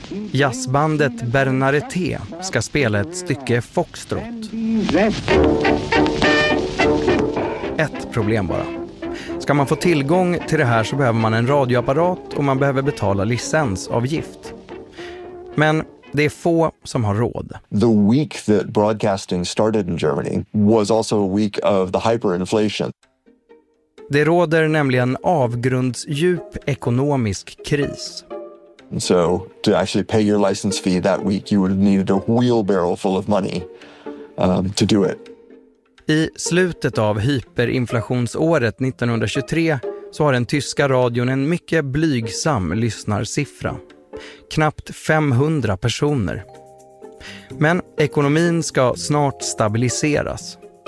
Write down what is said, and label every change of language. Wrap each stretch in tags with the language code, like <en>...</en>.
<sv>Jazzbandet Bernarete ska spela ett stycke foxtrott. Ett problem bara. Ska man få tillgång till det här så behöver man en radioapparat och man behöver betala licensavgift. Men det är få som har råd.</sv> <en>The week that broadcasting started in Germany was also a week of the hyperinflation.</en> <sv>Det råder nämligen avgrundsdjup ekonomisk kris.</sv> <en>So to actually pay your license fee that week you would need a wheelbarrow full of money to do it.</en> <sv>I slutet av hyperinflationsåret 1923 så har den tyska radion en mycket blygsam lyssnarsiffra. Knappt 500 personer. Men ekonomin ska snart stabiliseras.</sv>